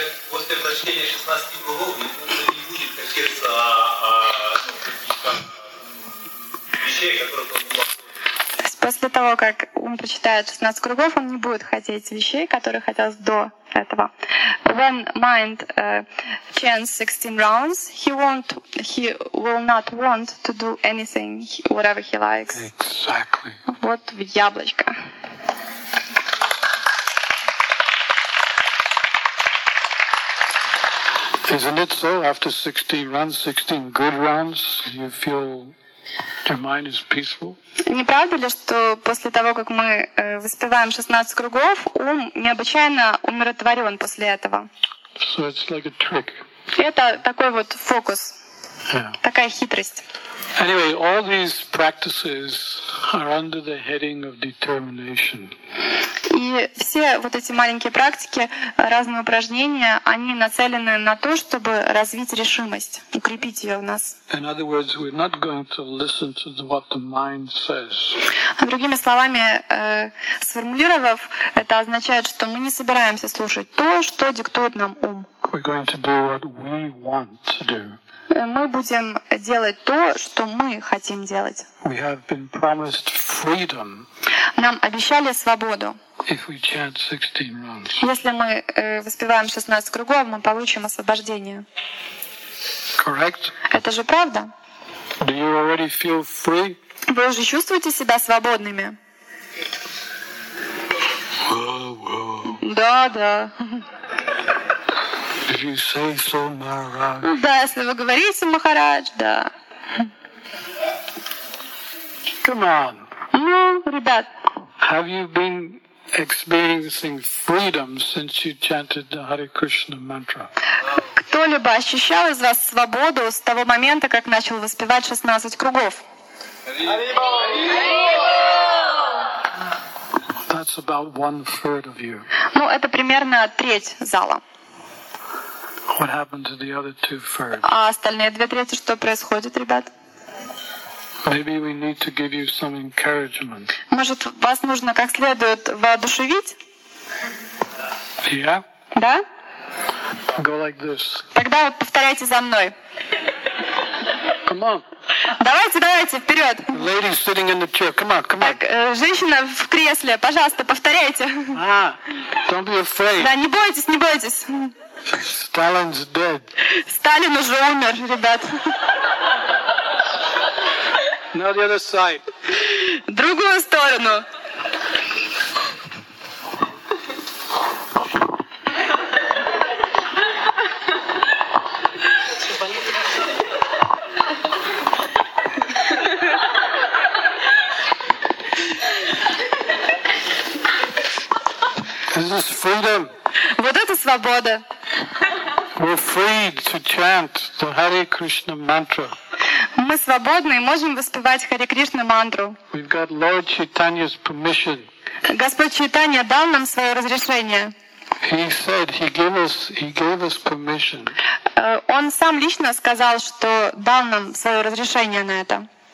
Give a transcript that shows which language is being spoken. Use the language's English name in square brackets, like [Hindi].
[Russian] После прочтения 16 кругов не будет хотеться вещей, которые он мог. После того, как ум прочитает 16 кругов, он не будет хотеть вещей, которые хотел до этого. [English] When mind chants 16 rounds, he will not want to do anything, whatever he likes. Exactly. [Russian] Вот в яблочко. [English] Isn't it so? After 16 rounds, 16 good rounds, you feel your mind is peaceful. [Russian] Не правда ли, что после того, как мы воспеваем 16 кругов, ум необычайно умиротворен после этого? [English] So it's like a trick. [Russian] Это такой вот фокус. [English] Yeah. [Russian] Такая хитрость. [English] Anyway, all these practices are under the heading of determination. [Russian] И все вот эти маленькие практики, разные упражнения, они нацелены на то, чтобы развить решимость, укрепить ее в нас. [English] In other words, we're not going to listen to what the mind says. [Russian] Другими словами, сформулировав, это означает, что мы не собираемся слушать то, что диктует нам ум. [English] We're going to do what we want to do. [Russian] Мы будем делать то, что мы хотим делать. [English] We have been promised freedom. [Russian] Нам обещали свободу. [English] If we chant 16 rounds. [Russian] Если мы воспеваем 16 кругов, мы получим освобождение. [English] Correct? [Russian] Это же правда? [English] Do you already feel free? [Russian] Вы уже чувствуете себя свободными? Да. [English] If you say so, Maharaj. [Russian] Да, если вы говорите, Махарадж, да. [English] Come on. [Russian] Ну, ребят. [English] Have you been experiencing freedom since you chanted the Hare Krishna mantra? [Russian] Кто-либо ощущал из вас свободу с того момента, как начал воспевать 16 кругов? [English] That's about one third of you. [Russian] Ну, это примерно треть зала. [English] What happened to the other two thirds? [Russian] А остальные две трети что происходит, ребят? [English] Maybe we need to give you some encouragement. [Russian] Может, вас нужно как следует воодушевить? [English] Yeah. [Russian] Да? [English] Go like this. [Russian] Тогда вот повторяйте за мной. [English] Come on. [Russian] Давайте, вперед. [English] Lady sitting in the chair. Come on. [Russian] Так, женщина в кресле, пожалуйста, повторяйте. [English] Don't be afraid. [Russian] Да, не бойтесь. [English] Stalin's dead. [Russian] Сталин уже умер, ребят. [English] Now the other side. [Russian] Другую сторону. [English] This is freedom. [Russian] Вот это свобода. [English] We're free to chant the Hare Krishna mantra. [Russian] Мы свободны и можем воспевать Харе Кришна мантру. [English] We've got Lord Chaitanya's permission. [Russian] Господь Чайтанья дал нам свое разрешение. [English] He said he gave us permission. [Russian] Он сам лично сказал, что дал нам свое разрешение на это.